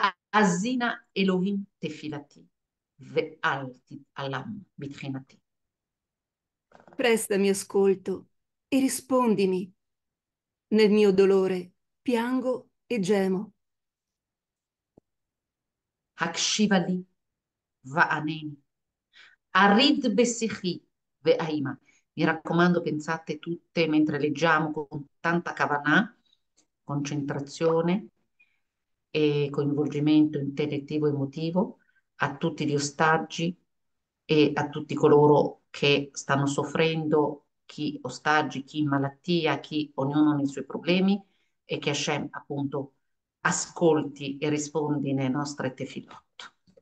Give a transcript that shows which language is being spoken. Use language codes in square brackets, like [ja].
[he] Asina Elohim tefilati, ve'alti alam bitchinati. [it] Prestami ascolto e rispondimi. Nel mio dolore piango e gemo. [he] הקשיבה לי וענני, אריד בשיחי ואימא. [it] Mi raccomando, pensate tutte mentre leggiamo con tanta cavanà, concentrazione e coinvolgimento intellettivo emotivo a tutti gli ostaggi e a tutti coloro che stanno soffrendo, chi ostaggi, chi in malattia, chi ognuno nei suoi problemi e che Hashem appunto ascolti e rispondi nelle nostre tefillot.